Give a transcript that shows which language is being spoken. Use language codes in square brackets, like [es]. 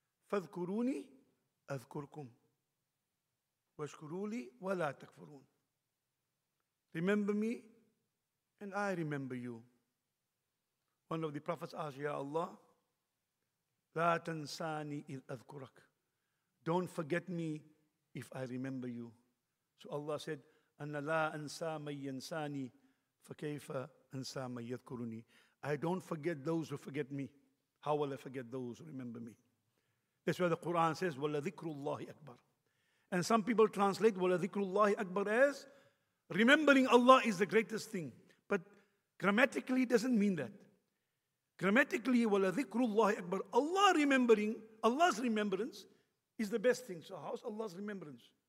[ar] فَذْكُرُونِي أَذْكُرْكُمْ وَاشْكُرُولِي وَلَا تَكْفُرُونَ. [en] Remember me and I remember you. One of the prophets asked, Ya Allah, [ar] لَا تَنْسَانِي إِذْ أَذْكُرَكْ. [en] Don't forget me if I remember you. So Allah said, [ar] أَنَّ لَا أَنْسَى مَنْ يَنْسَانِي فَكَيْفَ أَنْسَى مَنْ يَذْكُرُنِي. [en] I don't forget those who forget me. How will I forget those who remember me? That's why the Quran says, [ar] وَلَذِكْرُ اللَّهِ أَكْبَرُ. [en] And some people translate وَلَذِكْرُ اللَّهِ أَكْبَرُ as remembering Allah is the greatest thing. But grammatically, it doesn't mean that. Grammatically, [ar] وَلَذِكْرُ اللَّهِ أَكْبَرُ, [en] Allah remembering, Allah's remembrance is the best thing. So how's Allah's remembrance?